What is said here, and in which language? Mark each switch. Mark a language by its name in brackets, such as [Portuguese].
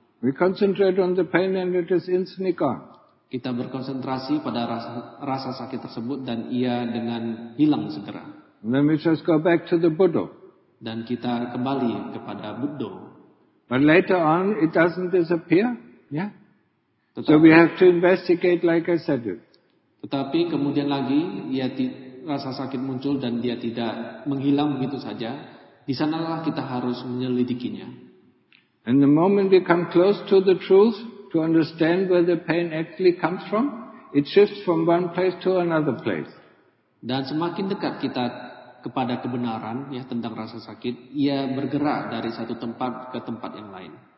[English] We concentrate on the pain and it is instantly gone. [Indonesian] Kita berkonsentrasi pada rasa sakit tersebut dan ia dengan hilang segera. [English] And then we just go back to the Buddha. [Indonesian] Dan kita kembali kepada Buddha. [English] But later on it doesn't disappear, yeah? [Indonesian] Tetapi, [English] so we have to investigate like I said it. [Indonesian] Tetapi kemudian lagi rasa sakit muncul dan dia tidak menghilang begitu saja. Di sanalah kita harus menyelidikinya. [English] And the moment we come close to the truth, to understand where the pain actually comes from, it shifts from one place to another place. [Indonesian] Dan semakin dekat kita kepada kebenaran, ya, tentang rasa sakit, ia bergerak dari satu tempat ke tempat yang lain.